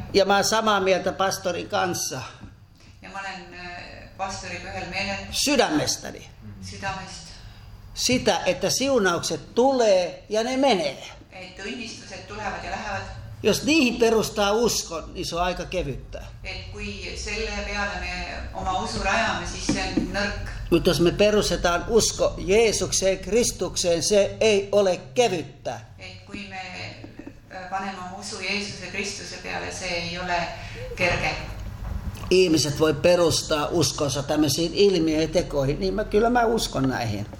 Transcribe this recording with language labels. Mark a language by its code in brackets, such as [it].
[fi] Ja mä olen samaa mieltä pastorin kanssa. Ja mä olen pastori pyhällä mielellä. Sydämestäni. Sydämestä. Sitä, että siunaukset tulee ja ne menee. Että ihmistuset tulevat ja lähevät. Jos niihin perustaa uskon, niin se on aika kevyttä. [et] Et kui selle peale me oma usu rajame, siis se on nõrk. [fi] Mutta jos me perustetaan usko Jeesukseen, Kristukseen, se ei ole kevyttä. [et] Et kui me panemme usu Jeesuksen Kristuksen peale, se ei ole kerke. [fi] Ihmiset voi perustaa uskonsa tämmöisiin ilmiöihin ja tekoihin, niin kyllä mä uskon näihin.